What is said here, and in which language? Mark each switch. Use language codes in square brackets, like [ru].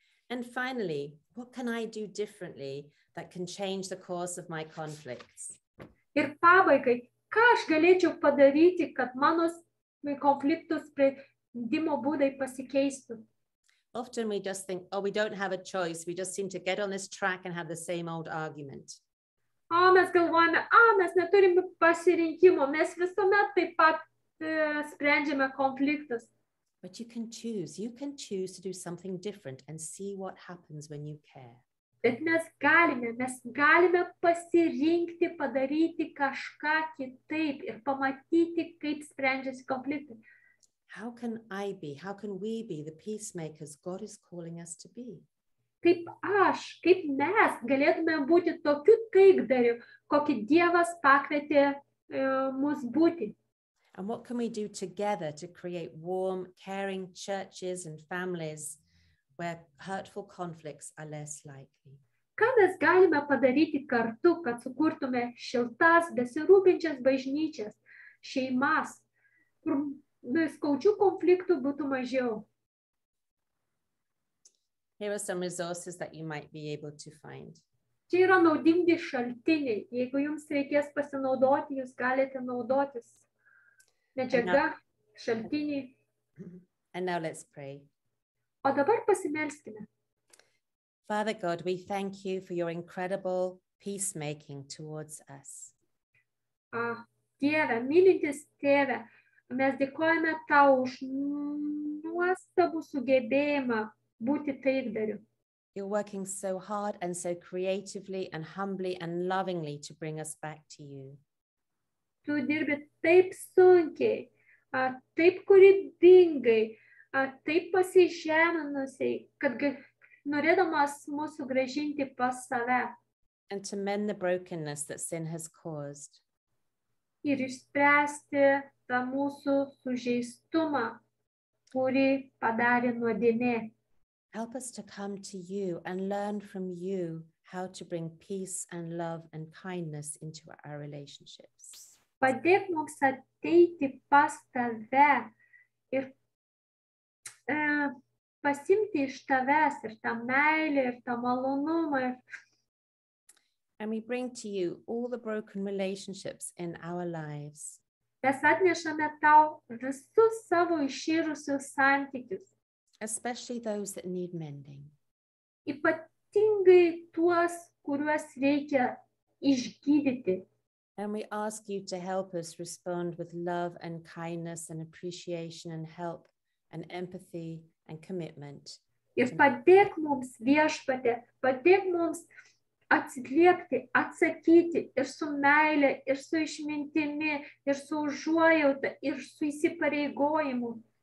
[en] And finally, what can I do differently that can change the course of my conflicts? [lt] Ir pabaigai, ką aš galėčiau padaryti, kad mano konfliktų sprendimo būdai pasikeistų? [en] Often we just think, oh, we don't have a choice. We just seem to get on this track and have the same old argument. [lt] Oh, mes galvojame, mes neturime pasirinkimo. Mes visuomet taip pat sprendžiame konfliktus. [en] But you can choose. You can choose to do something different and see what happens when you care. [lt] Bet mes galime pasirinkti, padaryti kažką kitaip ir pamatyti, kaip sprendžiasi konfliktai. [en] How can I be, how can we be the peacemakers God is calling us to be? [lt] Kaip aš, kaip mes galėtume būti tokiu taikdariu, kokį Dievas pakvietė mus būti? [en] And what can we do together to create warm, caring churches and families where hurtful conflicts are less likely? [lt] Ką mes galime padaryti kartu, kad sukurtume šiltas, besirūpinčias bažnyčias, šeimas, kur skaudžių konfliktų būtų mažiau? [en] Here are some resources that you might be able to find. [lt] Čia yra naudingi šaltiniai. Jeigu jums reikės pasinaudoti, jūs galite naudotis medžiaga, šaltiniai. [en] And now let's pray. [lt] O dabar pasimelskime. [en] Father God, we thank you for your incredible peacemaking towards us. [lt] Dieve, mylintis Tėve, mes dėkojame tau už nuostabų sugebėjimą būti taikdariu. [en] You're working so hard and so creatively and humbly and lovingly to bring us back to you. [lt] Tu dirbi taip sunkiai, taip kūrybingai, taip pasižeminusiai, kad norėdamas mūsų grąžinti pas save. [en] And to mend the brokenness that sin has caused. [lt] Ir išspręsti tą mūsų sužeistumą, kurį padarė nuodėmė. [en] Help us to come to you and learn from you how to bring peace and love and kindness into our relationships. [lt] Padėk mums ateiti pas tave ir pasimti iš tavęs ir tą meilę ir tą malonumą. [en] And we bring to you all the broken relationships in our lives. [lt] Mes atnešame tau visus savo iširusius santykius. [en] Especially those that need mending. [lt] Ypatingai tuos, kuriuos reikia išgydyti. [en] And we ask you to help us respond with love and kindness and appreciation and help and empathy and commitment [lt] Ir padėk mums viešpatė, padėk mums atsiliepti, atsakyti ir su meilė, ir su išmintimi, ir su užuojauta, ir su įsipareigojimu.